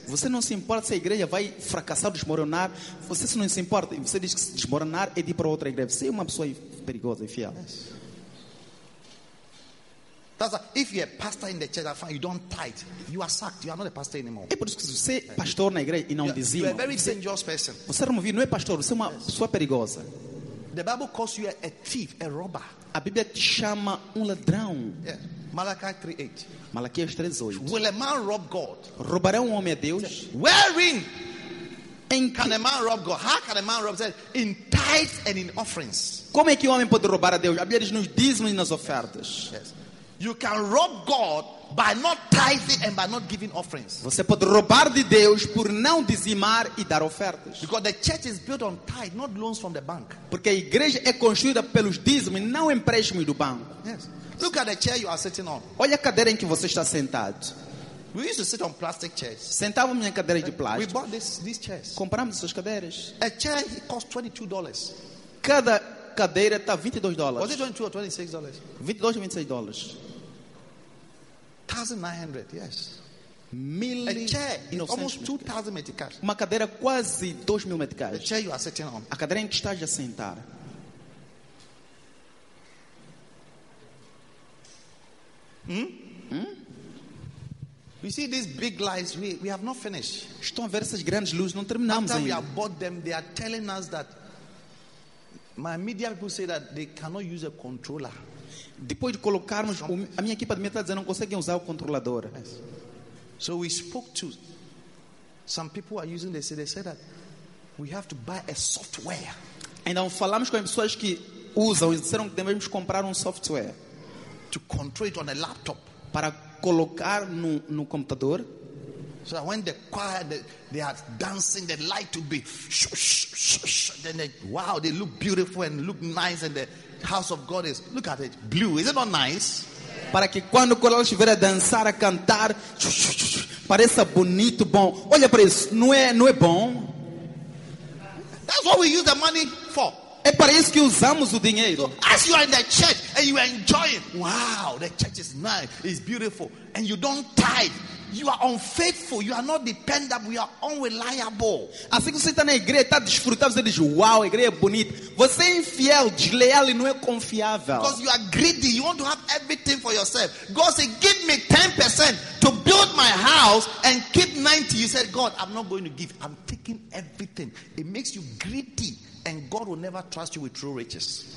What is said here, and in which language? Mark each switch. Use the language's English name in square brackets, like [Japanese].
[Portuguese] Você não se importa se a igreja vai fracassar ou desmoronar. Você não se importa. Você diz que se desmoronar é de ir para outra igreja. Você é uma pessoa perigosa, infiel. [English] Yes. That's a, if you're a pastor in the church, I find you don't tithe. You are sacked. You are not a pastor anymore. [Portuguese] É por isso que você é pastor na igreja e não dizima. [English] You are a very dangerous person. [Portuguese] Você removido, não é pastor. Você é uma pessoa perigosa. [English] The Bible calls you a thief, a robber. [Portuguese] A Bíblia te chama ladrão. [English] Malakai 3:8. Will a man rob God? [Portuguese] Roubará homem a Deus? [English] Wherein can a man rob God? How can a man rob God? In tithes and in offerings. [Portuguese] Como é que o homem pode roubar a Deus? A Bíblia diz nos dízimos e nas ofertas. [English] Yes. You can rob God by not tithing and by not giving offerings. [Portuguese] Você pode roubar de Deus por não dizimar e dar ofertas. [English] Because the church is built on tithe, not loans from the bank. [Portuguese] Porque a igreja é construída pelos dízimos, não empréstimos do banco. [English] Yes. Look at the chair you are sitting on. [Portuguese] Olha a cadeira em que você está sentado. [English] We used to sit on plastic chairs. [Portuguese] Sentávamos em cadeira de plástico. [English] We bought these chairs. [Portuguese] Compramos essas cadeiras. [English] A chair costs $22. [Portuguese] Cada cadeira está $22. [English] Was it $22 or $26? $22 or $26. 1,900, yes. [Portuguese] Mil [English] a chair, it's almost 2,000 meticais. [Portuguese] Uma cadeira quase 2,000 meticais. [English] The chair you are sitting on. [Portuguese] A cadeira em que estás a sentar. [English] You see these big lights? We have not finished. [Portuguese] Estão a ver essas grandes luzes? Não terminamos ainda. [English] After we have bought them, they are telling us that my media people say that they cannot use a controller. [Portuguese] Depois de colocarmos, a minha equipa de mídia está dizendo que não conseguem usar o controlador. [English] Yes. So we spoke to some people who are using this. They said that we have to buy a software. [Portuguese] Então falamos com as pessoas que usam e disseram que devemos comprar software [English] to control it on a laptop. [Portuguese] Para colocar no computador. [English] So when the choir they are dancing, the light to be shush, shush, then they, wow, they look beautiful and look nice, and the house of God is, look at it, blue. Is it not nice? [Portuguese] Para que quando o coral estiver a dançar, a cantar, shush, shush, shush, pareça bonito, bom. Olha para isso, não é bom? [English] That's what we use the money for. [Portuguese] É para isso que usamos o dinheiro. [English] So, as you are in the church and you are enjoying, wow, the church is nice, it's beautiful, and you don't tithe. You are unfaithful. You are not dependable. You are unreliable. [Portuguese] Assim que você está na igreja, está desfrutando, você diz, uau, a igreja é bonita. Você é infiel, desleal e não é confiável. [English] Because you are greedy. You want to have everything for yourself. God said, give me 10% to build my house and keep 90. You said, God, I'm not going to give. I'm taking everything. It makes you greedy. And God will never trust you with true riches.